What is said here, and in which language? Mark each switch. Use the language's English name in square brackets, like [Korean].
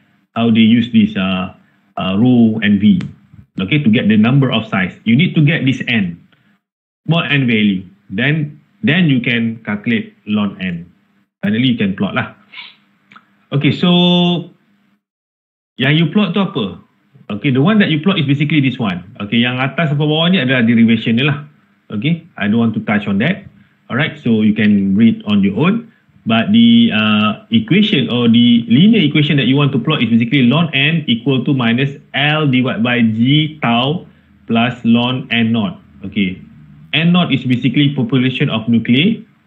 [English] How they use this rho and V. Okay, to get the number of size. You need to get this N. Small N value. Then you can calculate ln N. Finally, you can plot lah. [Malay] Okay, so yang you plot tu apa? [English] Okay, the one that you plot is basically this one. [Malay] Okay, yang atas sampai bawah ni adalah derivation ni lah. [English] Okay, I don't want to touch on that. Alright, so you can read on your own. But the equation or the linear equation that you want to plot is basically ln N equal to minus L divided by G tau plus ln N naught. Okay, N naught is basically population of nuclei.